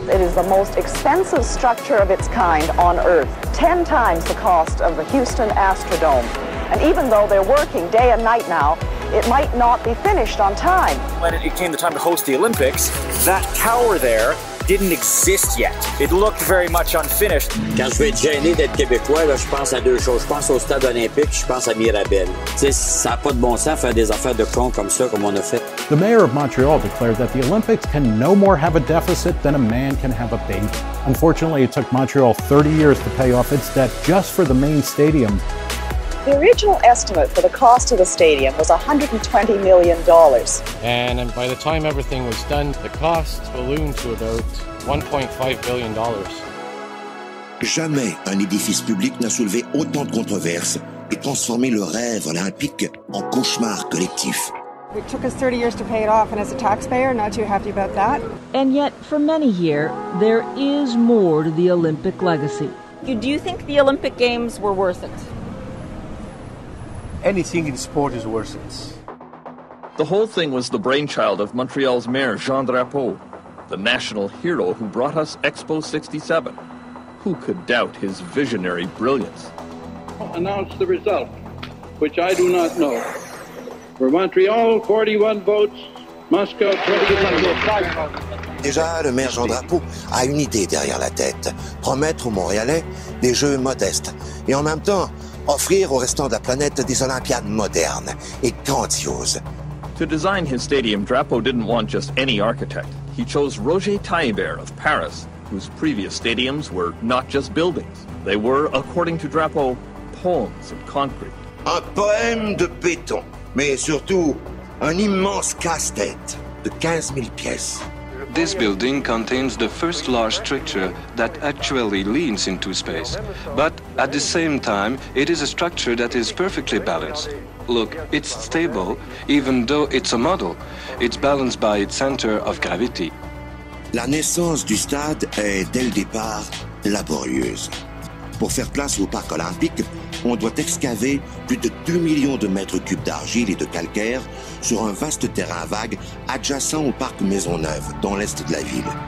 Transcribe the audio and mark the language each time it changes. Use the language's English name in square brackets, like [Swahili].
[English] It is the most expensive structure of its kind on Earth, 10 times the cost of the Houston Astrodome. And even though they're working day and night now, it might not be finished on time. When it came the time to host the Olympics, that tower there didn't exist yet. It looked very much unfinished. [French] Quand je vais être gêné d'être Québécois, là, je pense à deux choses. Je pense au Stade Olympique, je pense à Mirabel. T'sais, ça n'a pas de bon sens faire des affaires de con comme ça, comme on a fait. [English] The mayor of Montreal declared that the Olympics can no more have a deficit than a man can have a baby. Unfortunately, it took Montreal 30 years to pay off its debt just for the main stadium. The original estimate for the cost of the stadium was $120 million. And by the time everything was done, the cost ballooned to about $1.5 billion. [French] Jamais un édifice public n'a soulevé autant de controverses et transformé le rêve olympique en cauchemar collectif. [English] It took us 30 years to pay it off, and as a taxpayer, not too happy about that. And yet, for many here, there is more to the Olympic legacy. Do you think the Olympic Games were worth it? Anything in sport is worth it. The whole thing was the brainchild of Montreal's mayor, Jean Drapeau, the national hero who brought us Expo 67. Who could doubt his visionary brilliance? Announce the result, which I do not know. For Montreal, 41 votes. Moscow, 29 votes. [French] Déjà, le maire Jean Drapeau a une idée derrière la tête. Promettre aux Montréalais des jeux modestes. Et en même temps, offrir au restant de la planète des Olympiades modernes et grandioses. [English] To design his stadium, Drapeau didn't want just any architect. He chose Roger Taillebert of Paris, whose previous stadiums were not just buildings. They were, according to Drapeau, poems of concrete. [French] Un poème de béton, mais surtout un immense casse-tête de 15 000 pièces. [English] This building contains the first large structure that actually leans into space. But at the same time, it is a structure that is perfectly balanced. Look, it's stable, even though it's a model. It's balanced by its center of gravity. [French] La naissance du stade est, dès le départ, laborieuse. Pour faire place au parc olympique, on doit excaver plus de 2 millions de mètres cubes d'argile et de calcaire sur un vaste terrain vague adjacent au parc Maisonneuve, dans l'est de la ville.